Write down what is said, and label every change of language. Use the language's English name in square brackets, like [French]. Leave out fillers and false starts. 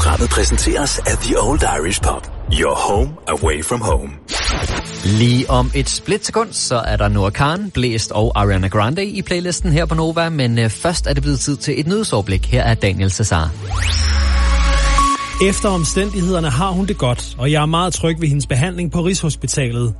[Danish] Præsenteres af The Old Irish Pub. [English] Your home away from home. [Danish] Lige om et splitsekund, så er der Noah Kahan, Blæst og Ariana Grande i playlisten her på Nova, men først er det blevet tid til et nyhedsoverblik. Her er Daniel Cesar. Efter omstændighederne har hun det godt, og jeg er meget tryg ved hendes behandling på Rigshospitalet.